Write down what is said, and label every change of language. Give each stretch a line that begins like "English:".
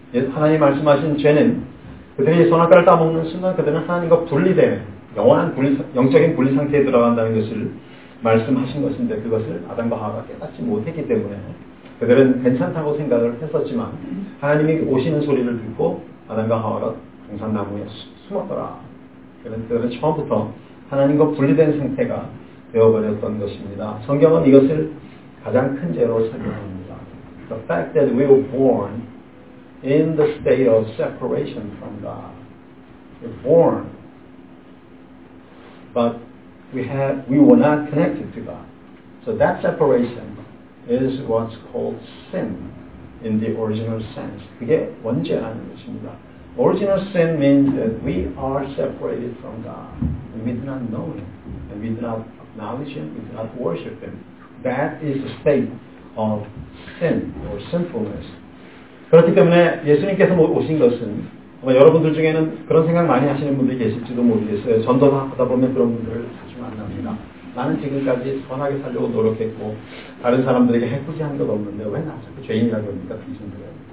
Korean: 하나님 말씀하신 죄는 그들이 선악과를 따먹는 순간 그들은 하나님과 분리된 영원한 분리, 영적인 분리 상태에 들어간다는 것을 말씀하신 것인데 그것을 아담과 하와가 깨닫지 못했기 때문에 그들은 괜찮다고 생각을 했었지만 하나님이 오시는 소리를 듣고 아담과 하와가 동산나무에 숨었더라. 그들은 처음부터 하나님과 분리된 상태가 되어버렸던 것입니다. 성경은 이것을 가장 큰 죄로 설명합니다.
English: The fact that we were born in the state of separation from God. We're born, but we were not connected to God. So that separation is what's called sin in the original sense.
Korean: 그게 원죄라는 것입니다.
English: Original sin means that we are separated from God. and we do not know Him, and we do not acknowledge Him, we do not worship Him. That is the state of sin or sinfulness.
Korean: 그렇기 때문에 예수님께서 오신 것은 아마 여러분들 중에는 그런 생각 많이 하시는 분들이 계실지도 모르겠어요. 전도하다 보면 그런 분들을 자주 만납니다. 나는 지금까지 선하게 살려고 노력했고 다른 사람들에게 해코지 한 것도 없는데 왜 나 자꾸 죄인이라고 합니까? 귀신들은.